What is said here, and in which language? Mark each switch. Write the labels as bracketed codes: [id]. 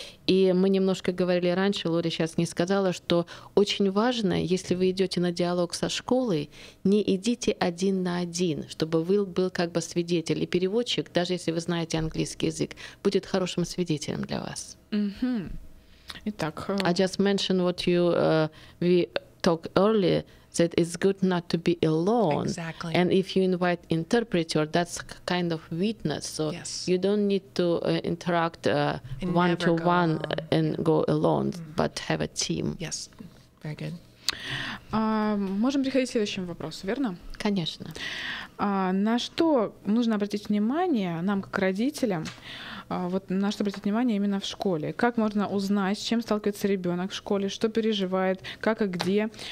[ru] И мы немножко говорили раньше, Лори сейчас не сказала, что очень важно, если вы идете на диалог со школой, не идите один на один, чтобы вы был как бы свидетель. И переводчик, даже если вы знаете английский язык, будет хорошим свидетелем для вас. Mm-hmm. Итак, [en] I just mentioned what you we talked earlier that it's good not to be alone. Exactly. And if you invite interpreter, that's kind of weakness. So yes. You don't need to interact one to one and go alone, mm-hmm. but have a team. Yes. Very good. [ru] Можем переходить к следующему вопросу, верно? Конечно. На что нужно обратить внимание нам как родителям? Вот на что обратить внимание именно в школе? Как можно узнать, с чем сталкивается ребенок в школе, что переживает, как и где?